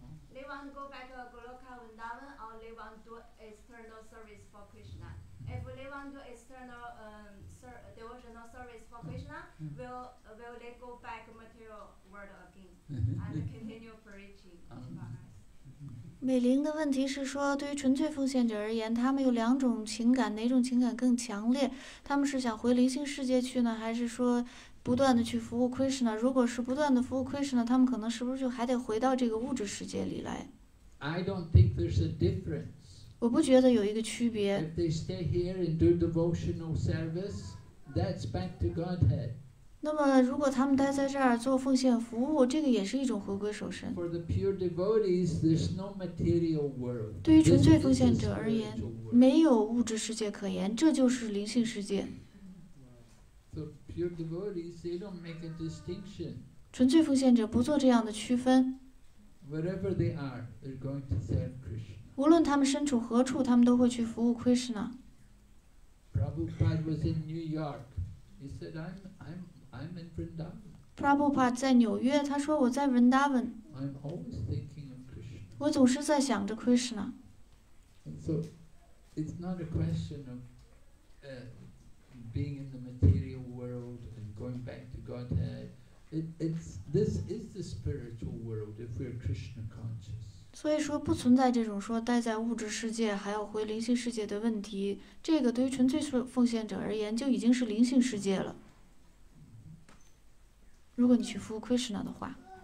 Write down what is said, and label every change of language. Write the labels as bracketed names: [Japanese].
[English] They want to go back to Goloka Vrindavan or they want to do external service for Krishna. If they want to do external devotional service for Krishna, will they go back to material world again and continue preaching? [Chinese] 美玲的问题是说，对于纯粹奉献者而言，他们有两种情感，哪种情感更强烈？他们是想回灵性世界去呢，还是说不断的去服务 Krishna？如果是不断的服务 Krishna， 他们可能是不是就还得回到这个物质世界里来 [English] ？I don't think there's a difference. [Chinese] 我不觉得有一个区别。 [English] If they stay here and do devotional service, that's back to Godhead. [Chinese] 那么如果他们待在这儿做奉献服务，这个也是一种回归守身。 [English] For the pure devotees, there's no material world. [Chinese] 对于纯粹奉献者而言，没有物质世界可言，这就是灵性世界。 [English] So pure devotees, they don't make a distinction. [Chinese] 纯粹奉献者不做这样的区分。 [English] Wherever they are, they're going to serve Krishna. [Chinese] 无论他们身处何处，他们都会去服务 Krishna. [English] Prabhupada was in New York. He said, I'm in Vrindavan. [Chinese] Prabhupada 在纽约，他说我在 Vrindavan。 [English] I'm always thinking of Krishna. [Chinese] 我总是在想着 Krishna。 [English] So it's not a question of being in the material world and going back to Godhead. This is the spiritual world if we're Krishna conscious. [Chinese] 所以说不存在这种说待在物质世界还要回灵性世界的问题。这个对于纯粹奉献者而言就已经是灵性世界了。如果你去服务 Krishna 的话。